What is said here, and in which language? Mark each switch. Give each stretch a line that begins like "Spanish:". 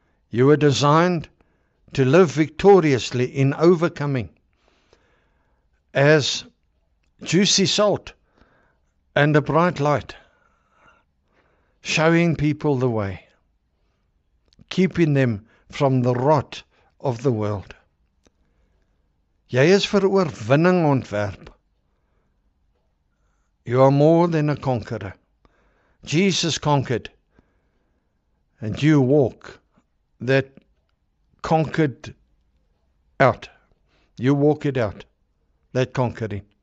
English: You were designed to live victoriously in overcoming, as juicy salt and a bright light, showing people the way, keeping them from the rot of the world.
Afrikaans: Jy is vir oorwinning ontwerp.
English: You are more than a conqueror. Jesus conquered, and you walk that conquered out. You walk it out, that conquering.